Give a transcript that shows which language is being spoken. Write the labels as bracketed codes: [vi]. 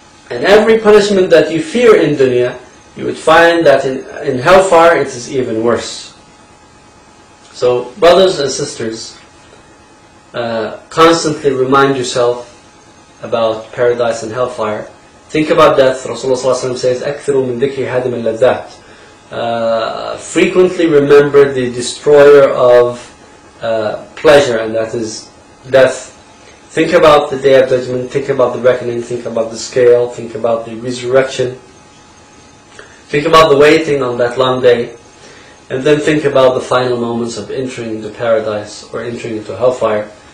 [en] And every punishment that you fear in dunya, you would find that in hellfire it is even worse. So brothers and sisters, constantly remind yourself about paradise and hellfire. Think about death. Rasulullah ﷺ says, [ar] أَكْثِرُوا مِنْ ذِكْرِ هَدِمِ اللَّذَّاتِ. [en] Frequently remember the destroyer of pleasure, and that is death. Think about the Day of Judgment, think about the reckoning, think about the scale, think about the resurrection. Think about the waiting on that long day. And then think about the final moments of entering into paradise or entering into hellfire.